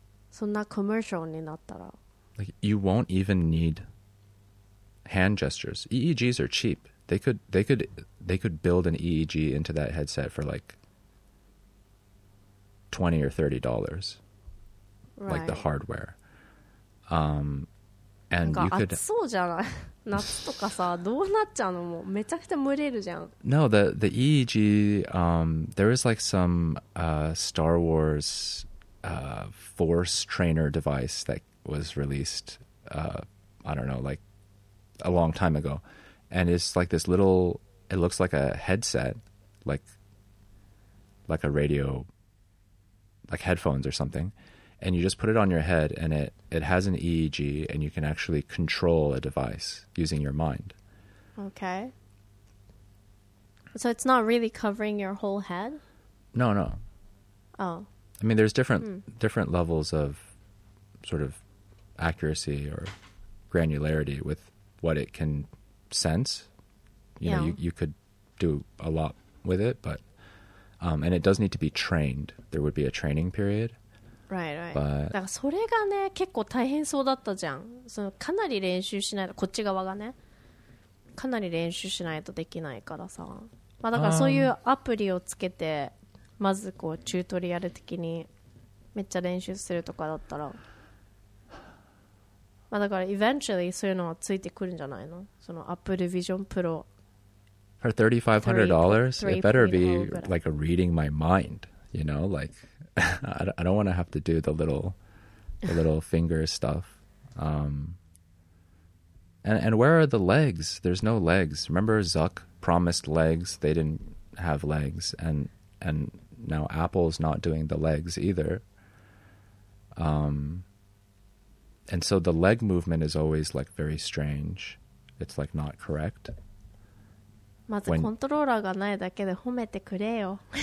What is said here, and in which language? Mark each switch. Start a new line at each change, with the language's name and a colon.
Japanese: そんなコマーシャルになったら、
English: like, you won't even need hand gestures. EEGs are cheap. They could build an EEG into that headset for like $20 or $30, like the hardware. And you could.
Japanese: 暑そうじゃない。夏とかさどうなっちゃうのもうめちゃくちゃ蒸れるじゃん。
English: No, the EEG, there is like some Star Wars force trainer device that was released I don't know, like a long time ago, and it's like this little, it looks like a headset, like a radio, like headphones or something, and you just put it on your head and it has an EEG and you can actually control a device using your mind. Okay. So it's not really covering your whole head? No. Oh. I mean, there's different levels of sort of accuracy or granularity with what it can sense. You know, you could do a lot with it, but... and it does need to be trained. There would be a training period. Right.
Japanese: だからそれがね結構大変そうだったじゃん。そのかなり練習しないとこっち側がねかなり練習しないとできないからさ、まあ、だからそういうアプリをつけてまずこうチュートリアル的にめっちゃ練習するとかだったら、まあ、だから eventually そういうのはついてくるんじゃないの、その Apple Vision Pro
English: for $3,500 it better be like a reading my mind, you know, likeI don't want to have to do the little finger stuff. And where are the legs? There's no legs. Remember Zuck promised legs. They didn't have legs. And now Apple's not doing the legs either. And so the leg movement is always like very strange. It's like not correct.
Japanese: まずコントローラーがないだけで褒めてくれよ。